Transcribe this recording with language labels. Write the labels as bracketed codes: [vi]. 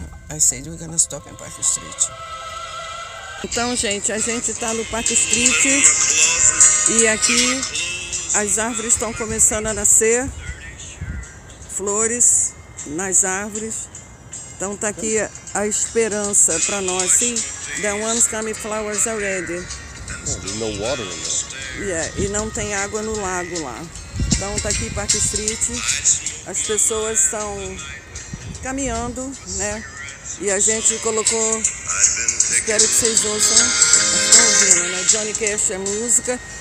[en] I said we're gonna stop in Park Street. [pt] Então, gente, a gente tá no Park Street e aqui as árvores estão começando a nascer, flores nas árvores. Então tá aqui a esperança para nós, sim. [en] The ones coming flowers already. No water in there. [pt] Yeah, e não tem água no lago lá. Então tá aqui Park Street. As pessoas estão caminhando, né? E a gente colocou. Quero que vocês ouçam. Estão ouvindo, né? Johnny Cash é música.